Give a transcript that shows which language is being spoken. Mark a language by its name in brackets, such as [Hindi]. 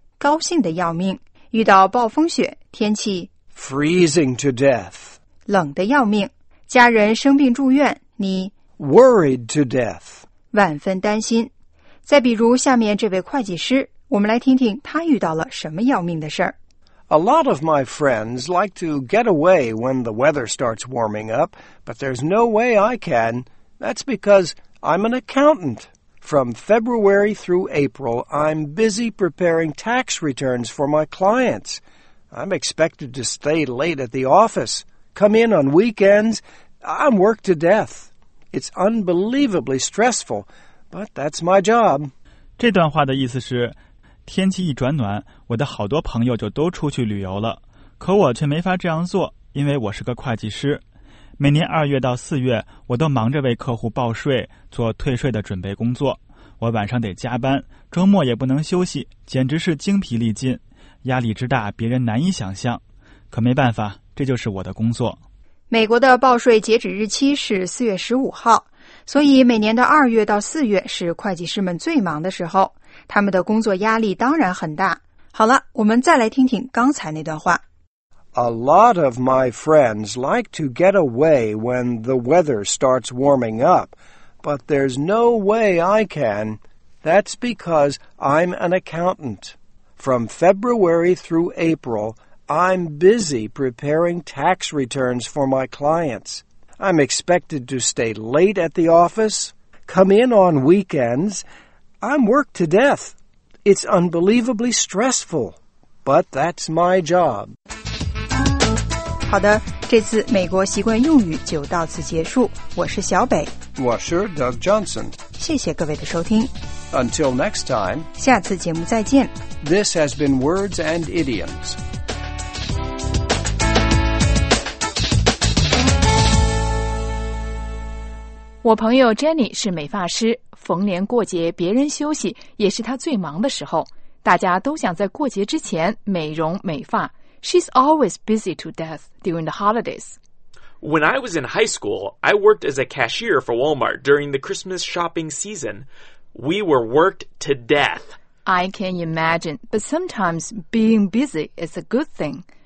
[Chinese] 高兴的要命；遇到暴风雪，天气 [English] freezing to death， [Chinese] 冷的要命；家人生病住院，你 [English] worried to death， [Chinese] 万分担心。再比如下面这位会计师，我们来听听他遇到了什么要命的事儿。 [English] A lot of my friends like to get away when the weather starts warming up, but there's no way I can. That's because I'm an accountant. From February through April, I'm busy preparing tax returns for my clients. I'm expected to stay late at the office, come in on weekends. I'm worked to death. It's unbelievably stressful, but that's my job. [Chinese] 这段话的意思是天气一转暖，我的好多朋友就都出去旅游了，可我却没法这样做，因为我是个会计师。每年二月到四月，我都忙着为客户报税，做退税的准备工作。我晚上得加班，周末也不能休息，简直是精疲力尽，压力之大，别人难以想象。可没办法，这就是我的工作。美国的报税截止日期是四月十五号，所以每年的二月到四月是会计师们最忙的时候。他们的工作压力当然很大。好了，我们再来听听刚才那段话。 [English] A lot of my friends like to get away when the weather starts warming up, but there's no way I can. That's because I'm an accountant. From February through April, I'm busy preparing tax returns for my clients. I'm expected to stay late at the office, come in on weekends,I'm worked to death. It's unbelievably stressful, but that's my job. [Chinese] 好的，这次美国习惯用语就到此结束。我是小北，我是 Doug Johnson。谢谢各位的收听。 [English] Until next time. [Chinese] 下次节目再见。 [English] This has been Words and Idioms. [Chinese] 我朋友 Jenny 是美发师，逢年过节别人休息也是她最忙的时候，大家都想在过节之前美容美发。 [English] She's always busy to death during the holidays. When I was in high school, I worked as a cashier for Walmart during the Christmas shopping season. We were worked to death. I can imagine, but sometimes being busy is a good thing.